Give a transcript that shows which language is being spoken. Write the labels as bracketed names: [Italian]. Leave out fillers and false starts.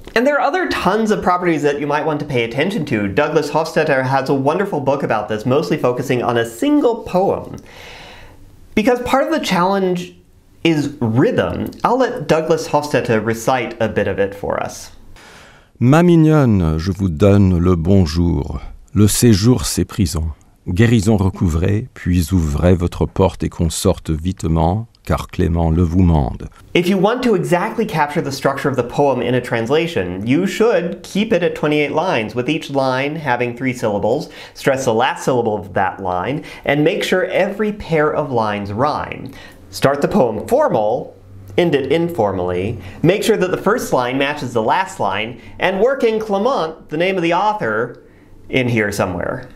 [English] And there are other tons of properties that you might want to pay attention to. Douglas Hofstadter has a wonderful book about this, mostly focusing on a single poem. Because part of the challenge is rhythm. I'll let Douglas Hofstadter recite a bit of it for us. [French] Ma mignonne, je vous donne le bonjour. Le séjour, c'est prison. Guérison recouvrée, puis ouvrez votre porte et qu'on sorte vitement. Car Clément le vous mande. [English] If you want to exactly capture the structure of the poem in a translation, you should keep it at 28 lines, with each line having 3 syllables, stress the last syllable of that line, and make sure every pair of lines rhyme. Start the poem formal, end it informally, make sure that the first line matches the last line, and work in Clément, the name of the author, in here somewhere.